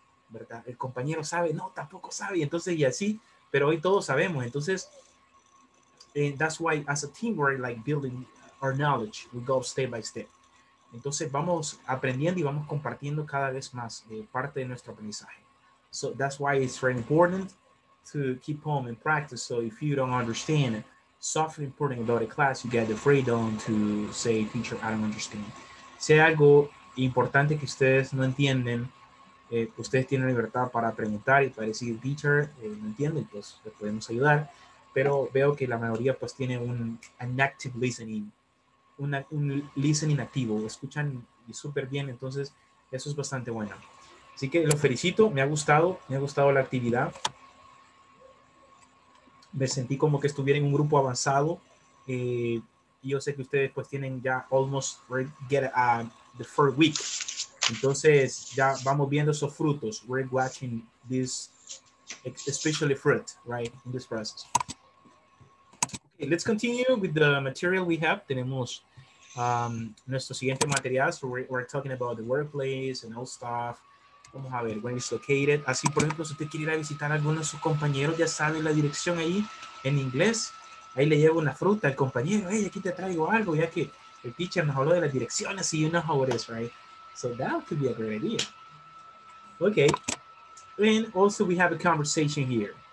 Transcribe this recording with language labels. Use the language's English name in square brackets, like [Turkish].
[Spanish] ¿Verdad? El compañero sabe, no, tampoco sabe, entonces y así, pero hoy todos sabemos, entonces, [English] that's why as a team we're like building our knowledge, we go step by step. [Spanish] Entonces vamos aprendiendo y vamos compartiendo cada vez más parte de nuestro aprendizaje. [English] So that's why it's very important to keep home and practice. So if you don't understand something important about a class, you get the freedom to say, teacher, I don't understand. [Spanish] Si hay algo importante que ustedes no entienden, ustedes tienen libertad para preguntar y para decir, teacher, no entiendo, y pues le podemos ayudar. Pero veo que la mayoría pues tiene un active listening, un listening activo. Escuchan súper bien, entonces eso es bastante bueno. Así que lo felicito, me ha gustado la actividad. Me sentí como que estuviera en un grupo avanzado. Yo sé que ustedes pues tienen ya [English] almost get the first week. [Spanish] Entonces, ya vamos viendo esos frutos. [English] We're watching this, especially fruit, right, in this process. Okay, let's continue with the material we have. [Spanish] Tenemos nuestro siguiente material. [English] So we're talking about the workplace and all stuff. [Spanish] Vamos a ver, [English] where it's located. [Spanish] Así, por ejemplo, si usted quiere ir a visitar a alguno de sus compañeros, ya sabe la dirección ahí en inglés. Ahí le llevo una fruta al compañero. Hey, aquí te traigo algo, ya que el teacher nos habló de las direcciones y [English] you know how it is, right? So that could be a great idea. Okay. And also we have a conversation here.